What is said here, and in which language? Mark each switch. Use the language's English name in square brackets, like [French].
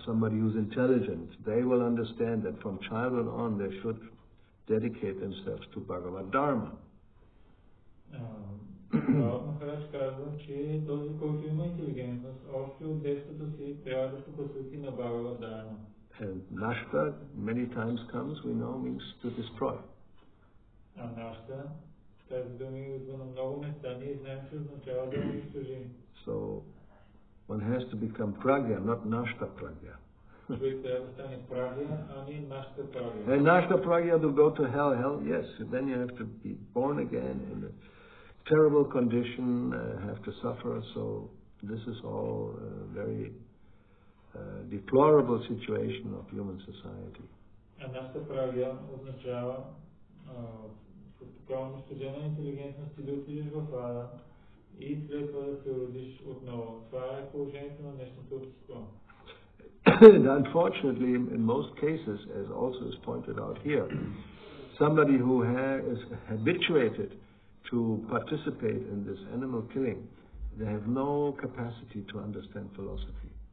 [English] Somebody who's intelligent, they will understand that from childhood on they should dedicate themselves to Bhagavad Dharma. And nashta, many times comes, we know, means to destroy. [Bulgarian] А нашата, тази думи идва на много места, ние знаем, че означава да унищожим. [English] So, one has to become pragya, not nashta pragya. [Bulgarian] Човек трябва да стане прагя, а не нашата прагя. [English] And nashta pragya to go to hell, hell, yes, and then you have to be born again in a terrible condition, have to suffer, so this is all very deplorable situation of human society. [Bulgarian] А нашата прагя означава така унищожена интелигентност и да отидеш в ада и след това да се родиш отново. Това е положението на днешното общество. [English] And unfortunately, in most cases, as also is pointed out here, somebody who is habituated to participate in this animal killing, they have no capacity to understand philosophy.